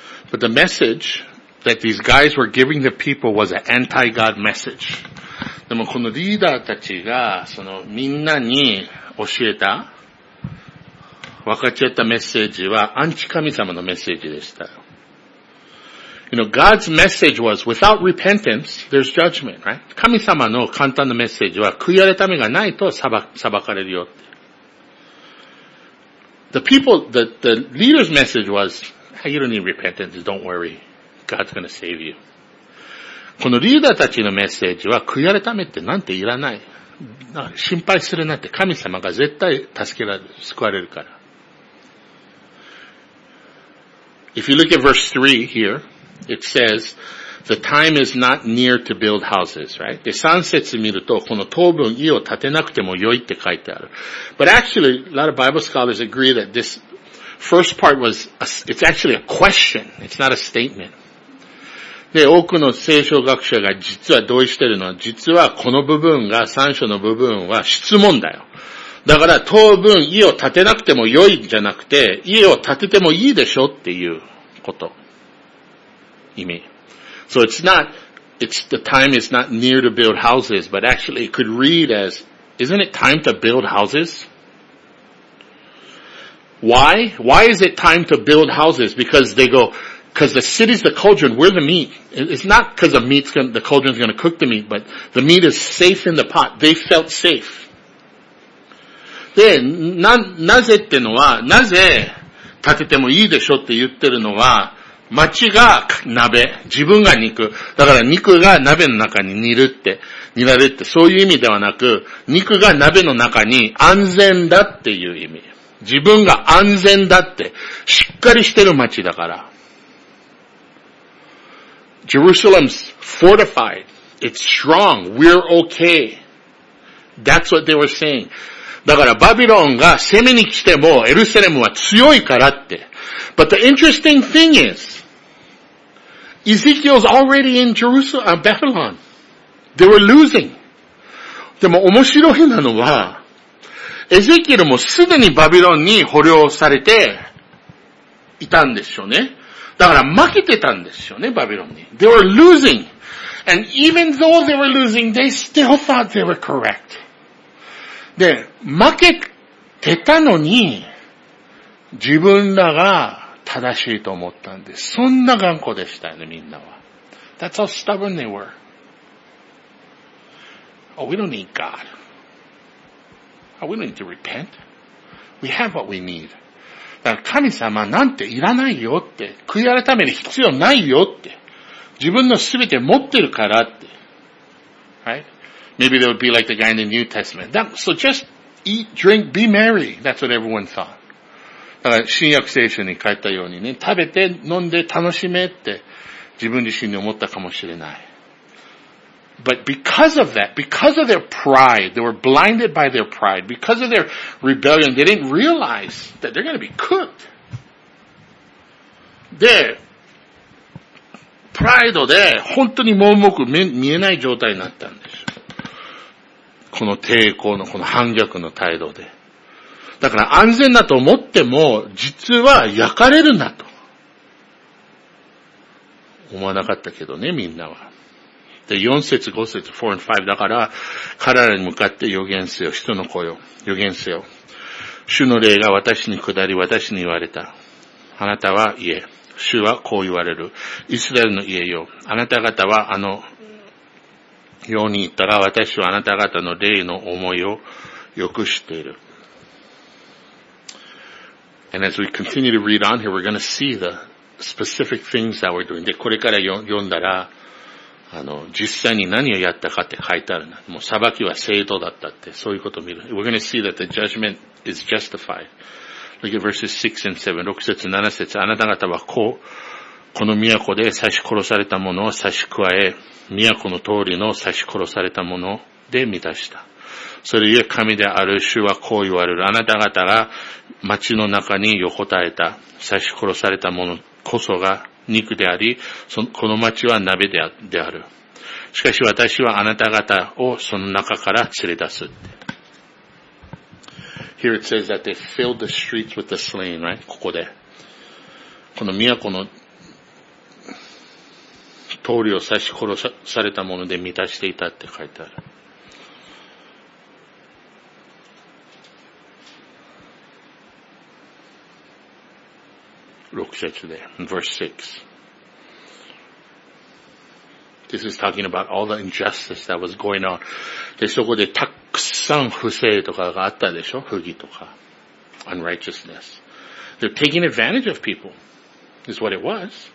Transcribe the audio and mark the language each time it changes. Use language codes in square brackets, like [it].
[en] But the message that these guys were giving the people was an anti-God message. [ja] でも、このリーダーたちが、その、みんなに教えた、分かち合ったメッセージはアンチ神様のメッセージでした。 [en] You know, God's message was, without repentance, there's judgment, right? [ja] 神様の簡単なメッセージは、悔い改めがないと裁かれるよって。 [en] The leader's message was, hey, you don't need repentance, don't worry. God's gonna save you. [ja] このリーダーたちのメッセージは、悔い改めってなんていらない。心配するなって、神様が絶対救われるから。 [en] If you look at verse 3 here, it says The time is not near to build houses, right? [ja] で、 3節見ると、この当分家を建てなくても良いって書いてある。 [en] But actually, a lot of Bible scholars agree that this first part was, it's actually a question. It's not a statement. [ja] で、多くの聖書学者が実は同意してるのは、実はこの部分が、3章の部分は質問だよ。だから、当分家を建てなくても良いじゃなくて、家を建ててもいいでしょっていうこと。意味。 [en] So it's not, it's the time is not near to build houses, but actually it could read as, isn't it time to build houses? Why? Why is it time to build houses? Because they go, because the city's the cauldron, we're the meat. It's not because the meat's going, the cauldron's going to cook the meat, but the meat is safe in the pot. They felt safe. [ja] で、なぜってのは、なぜ建ててもいいでしょって言ってるのは、町が鍋、自分が肉。だから肉が鍋の中に煮るって、煮られって、そういう意味ではなく、肉が鍋の中に安全だっていう意味。自分が安全だって、しっかりしてる町だから。 [en] Jerusalem's fortified. It's strong. We're okay. That's what they were saying. [ja] だからバビロンが攻めに来てもエルサレムは強いからって。 [en] But the interesting thing is, Ezekiel's already in Jerusalem, Babylon. They were losing. [ja] でも面白いなのは、エゼキエルもすでにバビロンに捕虜されていたんですよね。だから負けてたんですよね、バビロンに。 [en] They were losing. And even though they were losing, they still thought they were correct. [ja] で、負けてたのに、自分らが正しいと思ったんです。そんな頑固でしたよね、みんなは。 [en] That's how stubborn they were. Oh, we don't need God. Oh, we don't need to repent. We have what we need. [ja] だから神様なんていらないよって、悔い改める必要ないよって、自分のすべて持ってるからって。 [en] Right? Maybe they would be like the guy in the New Testament. That, so just eat, drink, be merry. That's what everyone thought. [ja] だから新約聖書に書いたようにね、食べて飲んで楽しめって自分自身に思ったかもしれない。 [en] But because of that, because of their pride, they were blinded by their pride, because of their rebellion, they didn't realize that they're going to be cooked. [ja] で、プライドで本当に盲目見えない状態になったんです。この抵抗のこの反逆の態度で。だから安全だと思っても、実は焼かれるなと。思わなかったけどね、みんなは。で、4節、5節、 [en] 4 and 5。 [ja] だから、彼らに向かって予言せよ。人の声を。予言せよ。主の霊が私に下り、私に言われた。あなたは家。主はこう言われる。イスラエルの家よ。あなた方はあの、ように言ったら、私はあなた方の霊の思いをよく知っている。 [en] And as we continue to read on here, we're going to see the specific things that we're doing. [ja] で、これから読んだら、実際に何をやったかって書いてあるな。もう裁きは正当だったって、そういうことを見る。 [en] We're going to see that the judgment is justified. Look at verses 6 and 7. [ja] 6節、7節、あなた方はこう、この都で刺し殺された者を刺し加え、都の通りの刺し殺された者で満たした。それゆえ神である主はこう言われる。あなた方が町の中に横たえた刺し殺された者こそが肉であり、この町は鍋である。しかし私はあなた方をその中から連れ出す。 [en] Here it says that they filled the streets with the slain, right? [ja] ここで。この都の通りを刺し殺されたもので満たしていたって書いてある。 6節で、 [en] verse 6。This is talking about all the injustice that was going on. [ja] で、そこでたくさん不正とかがあったでしょ、不義とか。 [en] Unrighteousness. They're taking advantage of people, is what it was.